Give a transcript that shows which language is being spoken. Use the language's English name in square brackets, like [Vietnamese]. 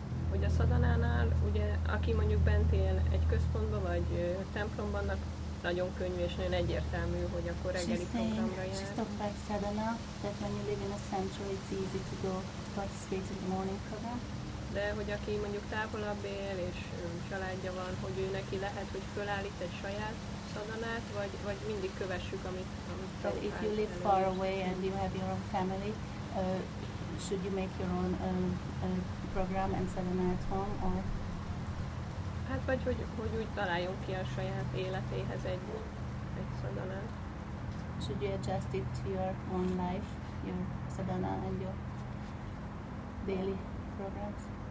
[Hungarian] hogy a szadanánál, ugye, aki mondjuk bent él egy központban, vagy templomban, nagyon könnyű és nagyon egyértelmű, hogy akkor reggeli programra jár. [English] She's talking about sadhana, that when you live in a sanctuary, it's easy to go participate in the morning program. [Hungarian] De hogy aki mondjuk távolabb él, és családja van, hogy ő neki lehet, hogy fölállít egy saját szadanát, vagy mindig kövessük, amit Prabhupád. [English] If you live far away and you have your own family, should you make your own program and sadhana at home, or? [Hungarian] Hát vagy hogy úgy találjon ki a saját életéhez egy szadanát. [English] Should you adjust it to your own life, your sadhana and your daily programs?